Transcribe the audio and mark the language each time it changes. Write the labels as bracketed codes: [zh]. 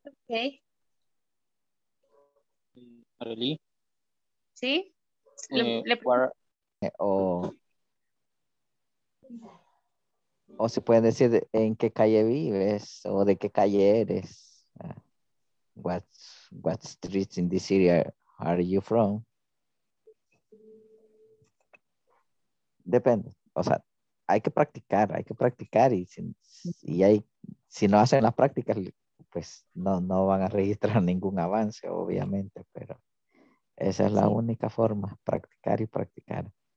[en] Okay. Arely? [es] Sí. O se puede decir en qué calle vives o de qué calle eres. [en] What streets in this city are you from? [es] Depende. O sea, hay que practicar y si no hacen las prácticas, pues no van a registrar ningún avance, obviamente, pero esa es la única forma, practicar y practicar.